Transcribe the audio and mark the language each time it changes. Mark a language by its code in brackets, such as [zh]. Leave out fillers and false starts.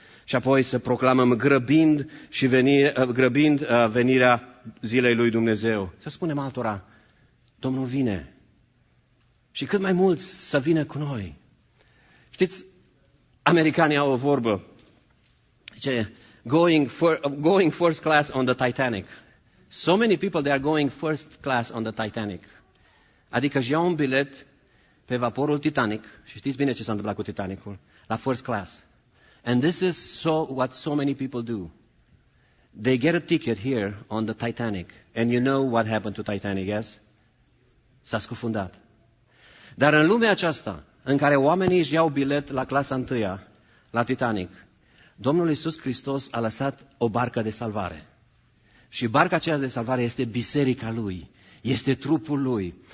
[ro] Și apoi să proclamăm grăbind venirea zilei lui Dumnezeu. Să spunem altora, Domnul vine. Și cât mai mulți să vină cu noi. Știți, americanii au o vorbă. [en] Zice, going first class on the Titanic. So many people, they are going first class on the Titanic. [ro] Adică își iau un bilet pe vaporul Titanic, și știți bine ce s-a întâmplat cu Titanicul, la first class. [en] And this is so what so many people do. They get a ticket here on the Titanic. And you know what happened to Titanic, yes? [ro] S-a scufundat. Dar în lumea aceasta, în care oamenii își iau bilet la clasa întâia, la Titanic, Domnul Iisus Hristos a lăsat o barcă de salvare. Și barca aceea de salvare este biserica Lui, este trupul Lui.